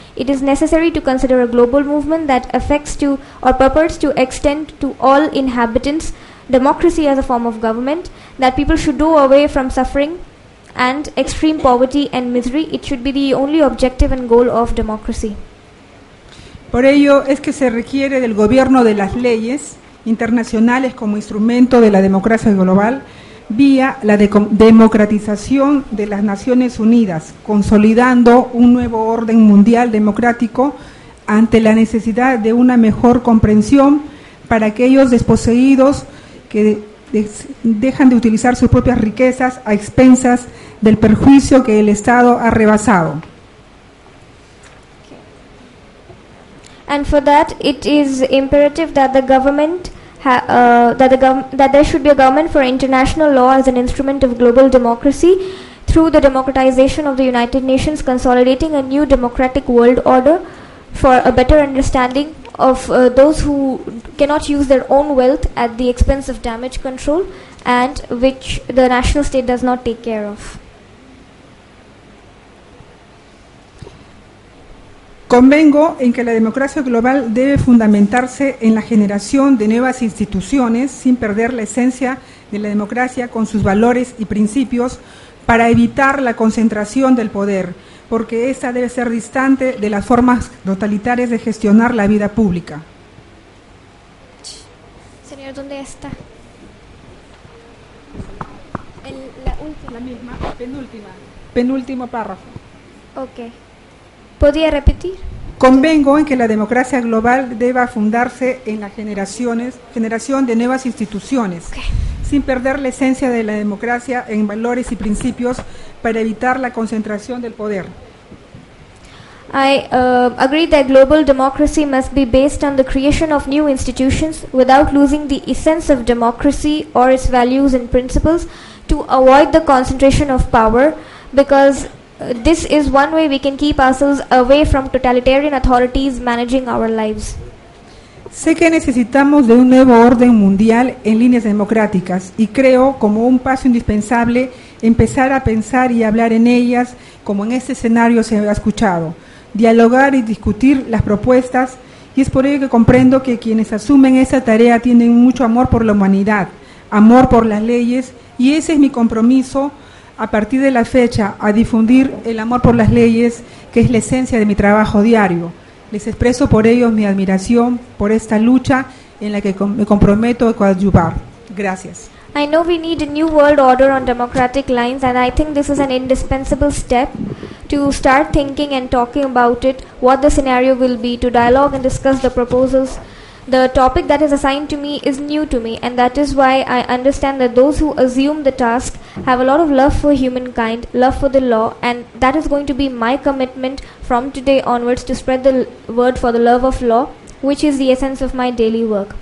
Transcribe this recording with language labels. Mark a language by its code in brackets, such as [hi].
[en] It is necessary to consider a global movement that purports to extend to all inhabitants democracy as a form of government, that people should do away from suffering and extreme poverty and misery. It should be the only objective and goal of democracy. [es] Por ello es que se requiere del gobierno de las leyes internacionales como instrumento de la democracia global vía la democratización de las Naciones Unidas, consolidando un nuevo orden mundial democrático ante la necesidad de una mejor comprensión para aquellos desposeídos que dejan de utilizar sus propias riquezas a expensas del perjuicio que el Estado ha rebasado. [en] And for that, it is imperative that the government that there should be a government for international law as an instrument of global democracy through the democratization of the United Nations, consolidating a new democratic world order for a better understanding of those who cannot use their own wealth at the expense of damage control and which the national state does not take care of. [es] Convengo en que la democracia global debe fundamentarse en la generación de nuevas instituciones sin perder la esencia de la democracia con sus valores y principios para evitar la concentración del poder, porque esta debe ser distante de las formas totalitarias de gestionar la vida pública. Señor, ¿dónde está? La última. La misma, penúltima. Penúltimo párrafo. Okay. ¿Podría repetir? Convengo en que la democracia global deba fundarse en la generación de nuevas instituciones, okay, sin perder la esencia de la democracia en valores y principios para evitar la concentración del poder. [en] I agree that global democracy must be based on the creation of new institutions without losing the essence of democracy or its values and principles to avoid the concentration of power, because this is one way we can keep ourselves away from totalitarian authorities managing our lives. [es] Sé que necesitamos de un nuevo orden mundial en líneas democráticas y creo como un paso indispensable empezar a pensar y hablar en ellas como en este escenario se ha escuchado, dialogar y discutir las propuestas, y es por ello que comprendo que quienes asumen esa tarea tienen mucho amor por la humanidad, amor por las leyes, y ese es mi compromiso a partir de la fecha a difundir el amor por las leyes, que es la esencia de mi trabajo diario. Les expreso por ello mi admiración por esta lucha en la que me comprometo a coadyuvar. Gracias. [en] I know we need a new world order on democratic lines, and I think this is an indispensable step to start thinking and talking about it, what the scenario will be, to dialogue and discuss the proposals. The topic that is assigned to me is new to me, and that is why I understand that those who assume the task have a lot of love for humankind, love for the law, and that is going to be my commitment from today onwards to spread the word for the love of law, which is the essence of my daily work.